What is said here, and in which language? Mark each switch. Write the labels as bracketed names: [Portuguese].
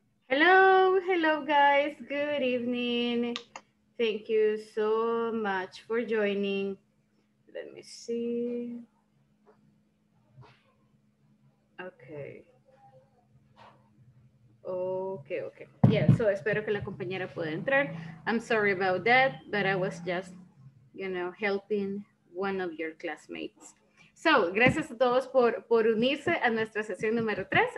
[English] Hello, hello, guys. Good evening. Thank you so much for joining. Let me see. Okay. Okay, okay. [Spanish] Yeah, so espero que la compañera pueda entrar. [English] I'm sorry about that, but I was just, you know, helping one of your classmates. [Spanish] So, gracias a todos por unirse a nuestra sesión número 3.